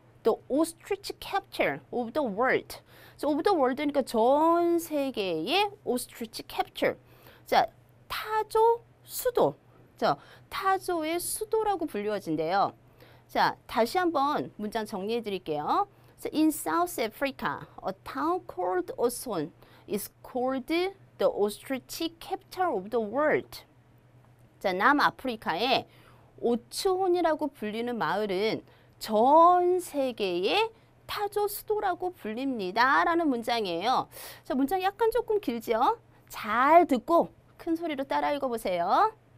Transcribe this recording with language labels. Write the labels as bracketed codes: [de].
[en] The ostrich capital of the world. So of the world니까 [ko] 전 세계의 [en] ostrich capital. [ko] 자, 타조 수도. 자, 타조의 수도라고 불리워진대요. 자, 다시 한번 문장 정리해 드릴게요. [en] So in South Africa, a town called Osun is called the ostrich capital of the world. [ko] 자, 남아프리카의 오츠혼이라고 불리는 마을은 전 세계의 타조 수도라고 불립니다. 라는 문장이에요. 자, 문장 약간 조금 길죠? 잘 듣고 큰 소리로 따라 읽어보세요.